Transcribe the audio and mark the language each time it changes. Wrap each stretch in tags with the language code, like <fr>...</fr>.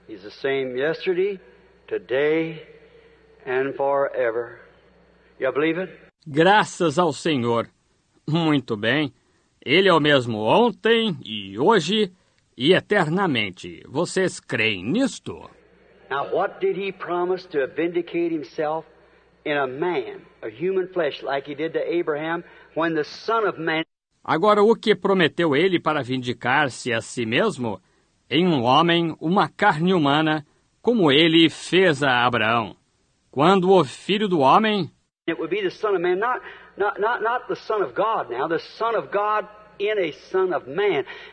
<en>Same yesterday, today, and forever. You believe it?</en> <pt>Graças ao Senhor. Muito bem. Ele é o mesmo ontem e hoje e eternamente. Vocês creem nisto?</pt> <en>Now, what did he promise to vindicate himself in a man, a human flesh, like he did to Abraham when the Son of Man?</en> <pt>Agora, o que prometeu ele para vindicar-se a si mesmo? Em um homem, uma carne humana, como ele fez a Abraão. Quando o Filho do Homem...</pt> <en>It would be the Son of Man, not the Son of God now, the Son of God in a Son of Man.</en>